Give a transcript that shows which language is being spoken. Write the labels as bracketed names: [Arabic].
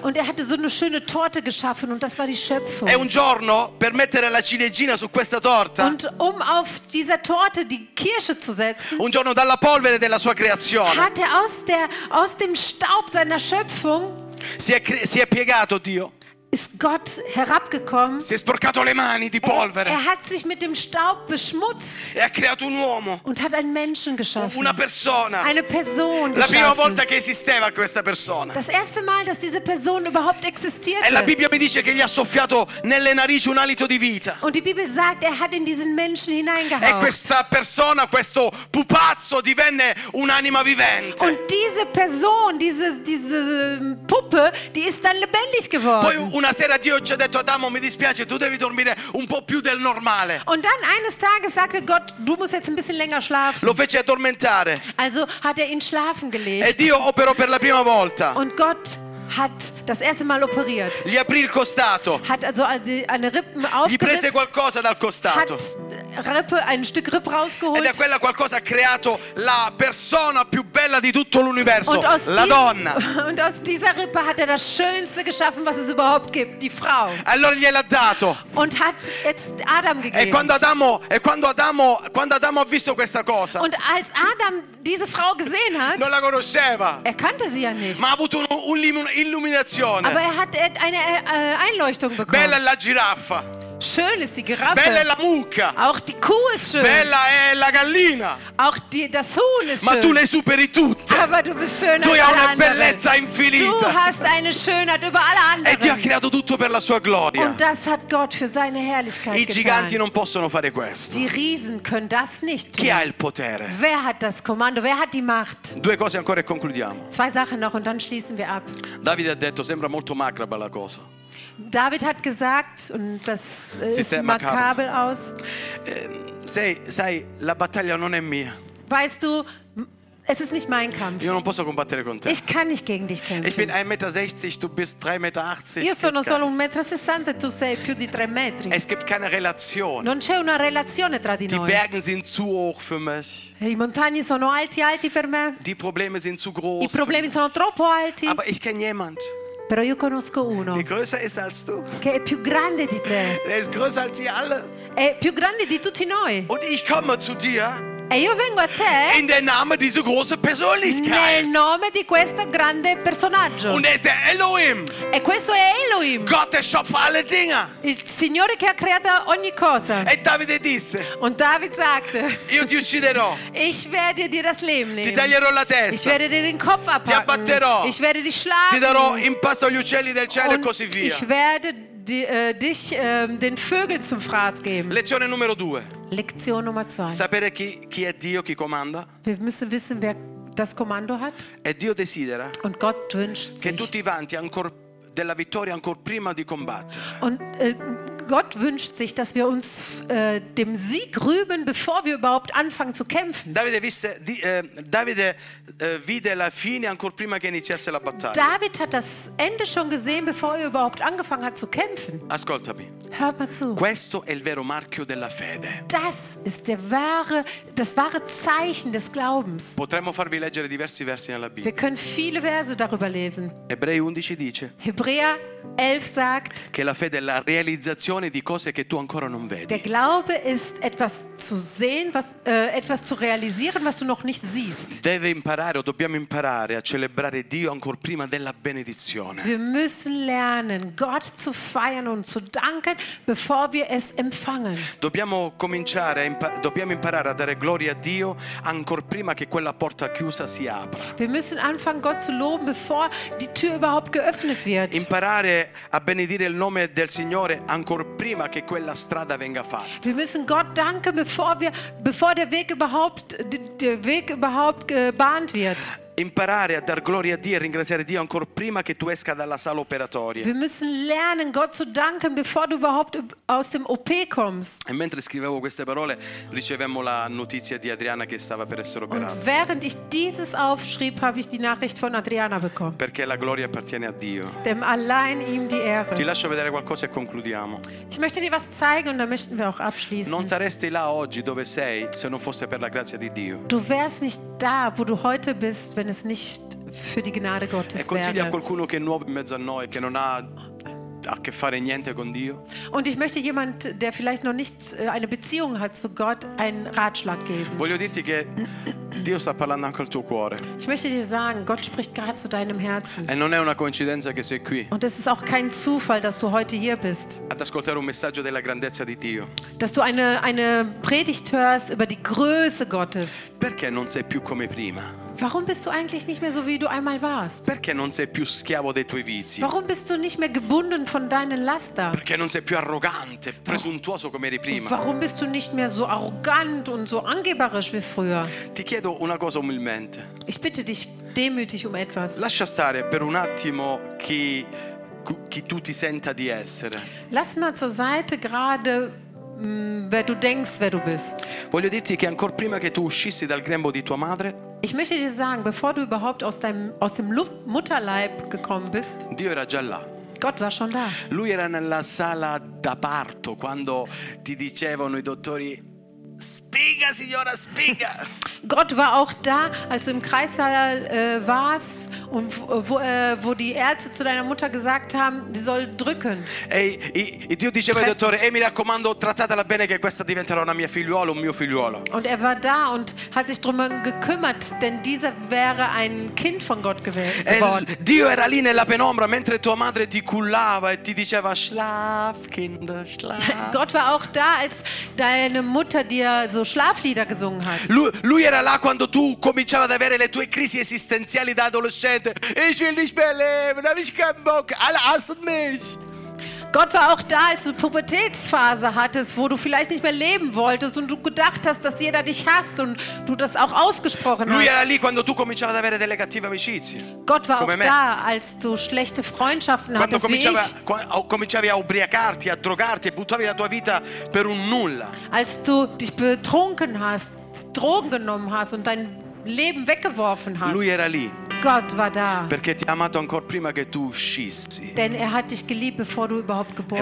[German] Und er hatte so eine schöne Torte geschaffen und das war die Schöpfung. [Italian] E un giorno per mettere la ciliegina su questa torta. [German] Und um auf dieser Torte die Kirsche zu setzen. [Italian] Un giorno dalla polvere della sua creazione. [German] Hat er aus dem Staub seiner Schöpfung. [Italian] Si è piegato Dio. [German] Ist Gott herabgekommen? [Italian] Si è sporcato le mani di polvere. [German] Er hat sich mit dem Staub beschmutzt. [Italian] E ha creato un uomo. [German] Und hat einen Menschen geschaffen. [Italian] Una persona. [German] Eine Person. [Italian] La prima volta che esisteva questa persona. [German] Das erste Mal, dass diese Person überhaupt existierte. [Italian] E la Bibbia mi dice che gli ha soffiato nelle narici un alito di vita. [German] Und die Bibel sagt, er hat in diesen Menschen hineingehaucht. [Italian] E questa persona, questo pupazzo, divenne un'anima vivente. [German] Und diese Person, diese Puppe, die ist dann lebendig geworden. [Italian] Poi una sera Dio ci ha detto Adamo mi dispiace tu devi dormire un po' più del normale. [German] Und dann eines Tages sagte Gott du musst jetzt ein bisschen länger schlafen. [Italian] Lo fece addormentare. [German] Also hat ihn schlafen gelegt. [Italian] E Dio operò per la prima volta. [German] Und Gott hat das erste Mal operiert. [Italian] Gli aprì il costato. [German] Hat also eine Rippen aufgerissen. [Italian] Gli prese qualcosa dal costato. [German] Ein Stück Rippe rausgeholt. [Italian] Ed è quella qualcosa ha creato la persona più bella di tutto l'universo, la donna. [German] Und aus dieser Rippe hat das Schönste geschaffen, was es überhaupt gibt, die Frau. [Italian] Allora gliel'ha dato. [German] Und hat jetzt Adam gegeben. [Italian] E quando Adamo ha visto questa cosa. [German] Und als Adam diese Frau gesehen hat. [Italian] Non la conosceva. [German] Er kannte sie ja nicht. [Italian] Ma ha avuto un'illuminazione. [German] Aber er hat eine Einleuchtung bekommen. [Italian] Bella la giraffa. [German] Schön ist die Giraffe. [Italian] Bella è la mucca. [German] Auch die Kuh ist schön. [Italian] Bella è la gallina. [German] Auch das Huhn ist schön. [Italian] Ma tu le superi tutte. [German] Aber du bist schöner [Italian] tu [German] als [Italian] hai [German] alle [Italian] una bellezza [German] anderen. [Italian] Infinita. [German] Du hast eine Schönheit über alle anderen. [Italian] E Dio ha creato tutto per la sua gloria. [German] Und das hat Gott für seine Herrlichkeit [Italian] I [German] getan. [Italian] Giganti non possono fare questo. [German] Die Riesen können das nicht tun. [Italian] Chi ha il potere? [German] Wer hat das Kommando? Wer hat die Macht? [Italian] Due cose ancora e concludiamo. [German] Zwei Sachen noch und dann schließen wir ab. [Italian] Davide ha detto sembra molto macabra la cosa. [German] David hat gesagt, und das ist makabel aus. [Italian] Sei, la battaglia non è mia. [German] Weißt du, es ist nicht mein Kampf. [Italian] Io non posso combattere con te. [German] Ich kann nicht gegen dich kämpfen. Ich bin 1,60 m, du bist 3,80 m. [Italian] Io sono solo 1,60 m, tu sei più di 3 metri. [German] Es gibt keine Relation. [Italian] Non c'è una relazione tra di noi. [German] Die Berge sind zu hoch für mich. [Italian] I montagne sono alti per me. [German] Die Probleme sind zu groß. [Italian] I problemi sono troppo alti. [German] Aber ich kenne jemand. [Italian] Però io conosco uno [German] che größer ist als du. [Italian] Che è più grande di te. [German] Er ist größer als ihr alle. [Italian] È più grande di tutti noi. [German] Und ich komme zu dir. [Italian] E io vengo a te. [German] In der Name dieser großen Persönlichkeit. [Italian] Nel nome di questo grande personaggio. [German] Und es ist Elohim. [Italian] E questo è Elohim. [German] Gott erschafft alle Dinge. [Italian] Il Signore che ha creato ogni cosa. E Davide disse. [German] Und David sagte. [Italian] Io ti ucciderò. [German] Ich werde dir das Leben nehmen. [Italian] Ti taglierò la testa. [German] Ich werde dir den Kopf abhacken. [Italian] Ti abbatterò. [German] Ich werde dich schlagen. [Italian] Ti darò in pasto agli uccelli del cielo [German] und [Italian] e così via. [German] Ich werde dich den Vögeln zum Fraß geben. [Italian] Lezione numero due. Lezione numero due. Sapere chi, chi è Dio, chi comanda. [German] Wir müssen wissen, wer das Kommando hat. [Italian] E Dio desidera. [German] Und Gott wünscht sich. [Italian] Che tu ti vanti ancor della vittoria ancor prima di combattere. [German] Und Gott wünscht sich, dass wir uns dem Sieg rüben, bevor wir überhaupt anfangen zu kämpfen. [Italian] Davide visse, Davide vide la fine ancor prima che iniziasse la battaglia. [German] David hat das Ende schon gesehen, bevor er überhaupt angefangen hat zu kämpfen. [Italian] Ascoltami. [German] Hört mal zu. [Italian] Questo è il vero marchio della fede. [German] Das ist der wahre, das wahre Zeichen des Glaubens. [Italian] Potremmo farvi leggere diversi versi nella Bibbia. [German] Wir können viele Verse darüber lesen. [Italian] Ebrei 11 dice. [German] Hebräer 11 sagt, [Italian] che la fede è la realizzazione di cose che tu ancora non vedi. [German] Der Glaube ist etwas zu sehen, was etwas zu realisieren, was du noch nicht siehst. [Italian] Deve imparare o dobbiamo imparare a celebrare Dio ancor prima della benedizione. [German] Wir müssen lernen, Gott zu feiern und zu danken, bevor wir es empfangen. [Italian] Dobbiamo cominciare a dobbiamo imparare a dare gloria a Dio ancor prima che quella porta chiusa si apra. [German] Wir müssen anfangen, Gott zu loben, bevor die Tür überhaupt geöffnet wird. [Italian] Imparare a benedire il nome del Signore ancor prima che quella strada venga fatta. [German] Wir müssen Gott danken, bevor der Weg überhaupt gebahnt wird. [Italian] Imparare a dar gloria a Dio e ringraziare Dio ancor prima che tu esca dalla sala operatoria. [German] Wir müssen lernen, Gott zu danken, bevor du überhaupt aus dem OP kommst. [Italian] E mentre scrivevo queste parole, ricevemmo la notizia di Adriana che stava per essere operata. [German] Und während ich dieses aufschrieb, habe ich die Nachricht von Adriana bekommen. [Italian] Perché la gloria appartiene a Dio. [German] Dem allein ihm die Ehre. [Italian] Ti lascio vedere qualcosa e concludiamo. [German] Ich möchte dir was zeigen und dann möchten wir auch abschließen. [Italian] Non saresti là oggi dove sei se non fosse per la grazia di Dio. [German] Du wärst nicht da, wo du heute bist, wenn es nicht für die Gnade Gottes wäre. [Italian] Consiglia a qualcuno che è nuovo in mezzo a noi, che non ha a che fare niente con Dio. [German] Und ich möchte jemand, der vielleicht noch nicht eine Beziehung hat zu Gott, einen Ratschlag geben. [Italian] Voglio dirti che Dio sta parlando anche al tuo cuore. [German] Ich möchte dir sagen, Gott spricht gerade zu deinem Herzen. [Italian] E non è una coincidenza che sei qui. [German] Und es ist auch kein Zufall, dass du heute hier bist. [Italian] Ad ascoltare un messaggio della grandezza di Dio. [German] Dass du eine Predigt hörst über die Größe Gottes. [Italian] Perché non sei più come prima? [German] Warum bist du eigentlich nicht mehr so, wie du einmal warst? [Italian] Perché non sei più schiavo dei tuoi vizi? [German] Warum bist du nicht mehr gebunden von deinen Laster? [Italian] Perché non sei più arrogante, presuntuoso come eri prima? [German] Warum bist du nicht mehr so arrogant und so angeberisch wie früher? [Italian] Ti chiedo una cosa umilmente. [German] Ich bitte dich demütig um etwas. [Italian] Lascia stare per un attimo chi tu ti senta di essere. [German] Lass mal zur Seite gerade wer du denkst, wer du bist. [Italian] Voglio dirti che ancor prima che tu uscissi dal grembo di tua madre, [German] ich möchte dir sagen, bevor du überhaupt aus dem Mutterleib gekommen bist, [Italian] Dio era già là. [German] Gott war schon da. [Italian] Lui era nella sala da parto quando ti dicevano i dottori spiga, signora, spiga. [German] Gott war auch da, als du im Kreißsaal warst und wo die Ärzte zu deiner Mutter gesagt haben, sie soll drücken. [Italian] E Dio diceva ai dottori, mi raccomando, trattatela bene, che questa diventerà una mia figliuola, un mio figliuolo. [German] Und er war da und hat sich drum gekümmert, denn dieser wäre ein Kind von Gott geworden. [Italian] Dio era lì nella penombra mentre tua madre ti cullava e ti diceva [German] schlaf, Kinder, schlaf. Gott war auch da, als deine Mutter dir so Schlaflieder gesungen hat. [Italian] Lui era là quando tu cominciavi ad avere le tue crisi esistenziali da adolescente. [German] Ich will nicht mehr leben, hab ich keinen Bock, alle hassen mich. Gott war auch da, als du Pubertätsphase hattest, wo du vielleicht nicht mehr leben wolltest und du gedacht hast, dass jeder dich hasst und du das auch ausgesprochen [Italian] lui [German] hast. [Italian] Lui era lì quando tu cominciavi ad avere delle cattive amicizie. [German] Gott war auch da, als du schlechte Freundschaften [Italian] quando [German] hattest, [Italian] cominciavi a ubriacarti, a drogarti e buttavi la tua vita per un nulla. [German] Als du dich betrunken hast, Drogen genommen hast und dein Leben weggeworfen hast. [Italian] Lui era lì. [German] Gott war da. [Italian] Perché ti ha amato ancora prima che tu uscissi. [German] Denn er hat dich geliebt, bevor du überhaupt geboren